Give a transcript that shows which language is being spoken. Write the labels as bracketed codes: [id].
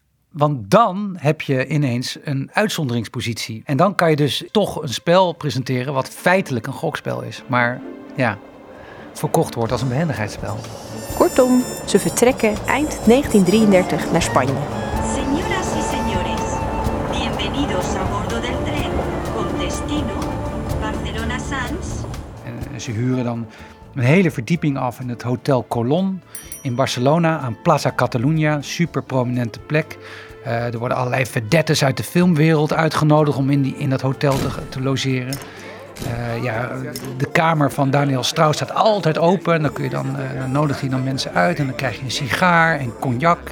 [nl] Want dan heb je ineens een uitzonderingspositie. En dan kan je dus toch een spel presenteren wat feitelijk een gokspel is. Maar verkocht wordt als een behendigheidsspel. Kortom, ze vertrekken eind 1933 naar Spanje. [es] Señoras y señores, bienvenidos a bordo del tren con destino Barcelona Sants. [nl] En ze huren dan een hele verdieping af in het Hotel Colón in Barcelona aan Plaza Catalunya, super prominente plek. Er worden allerlei vedettes uit de filmwereld uitgenodigd om in dat hotel te logeren. De kamer van Daniel Strauss staat altijd open. Dan nodig hij dan mensen uit en dan krijg je een sigaar en cognac.